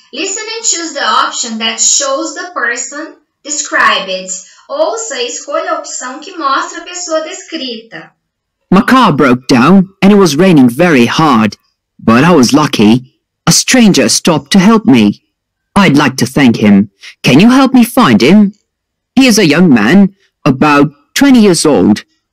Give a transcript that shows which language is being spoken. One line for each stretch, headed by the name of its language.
English: Listening, choose the option that shows the person described.
Portuguese: Ouça e escolha a opção que mostra a pessoa descrita.
English: My car broke down and it was raining very hard, but I was lucky. A stranger stopped to help me. I'd like to thank him. Can you help me find him? He is a young man, about 20 years old.